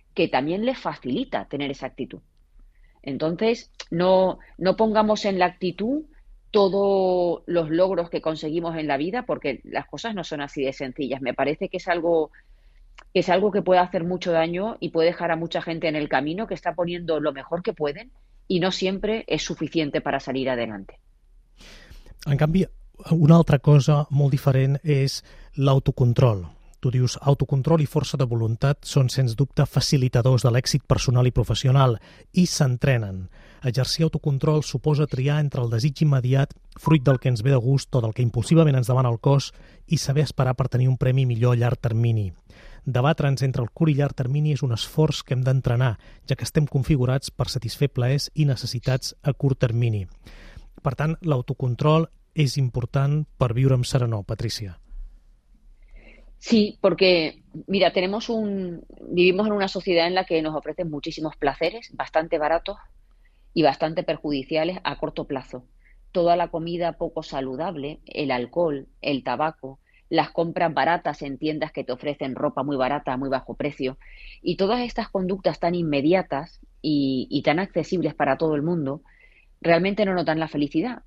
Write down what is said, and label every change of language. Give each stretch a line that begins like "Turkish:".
Spanish: que también le facilita tener esa actitud. Entonces, no pongamos en la actitud todos los logros que conseguimos en la vida, porque las cosas no son así de sencillas. Me parece que es algo que puede hacer mucho daño y puede dejar a mucha gente en el camino, que está poniendo lo mejor que pueden y no siempre es suficiente para salir adelante.
Catalan: En canvi, una altra cosa molt diferent és l'autocontrol. Tu dius autocontrol i força de voluntat són, sens dubte, facilitadors de l'èxit personal i professional i s'entrenen. Exercir autocontrol suposa triar entre el desig immediat, fruit del que ens ve de gust o del que impulsivament ens demana el cos, i saber esperar per tenir un premi millor a llarg termini. Debatre'ns entre el curt i llarg termini és un esforç que hem d'entrenar, ja que estem configurats per satisfer plaers i necessitats a curt termini. Per tant, l'autocontrol és important per viure amb serenor, Patricia.
Spanish: Sí, porque mira, vivimos en una sociedad en la que nos ofrecen muchísimos placeres, bastante baratos y bastante perjudiciales a corto plazo. Toda la comida poco saludable, el alcohol, el tabaco, las compras baratas en tiendas que te ofrecen ropa muy barata a muy bajo precio, y todas estas conductas tan inmediatas y tan accesibles para todo el mundo, realmente no nos dan la felicidad.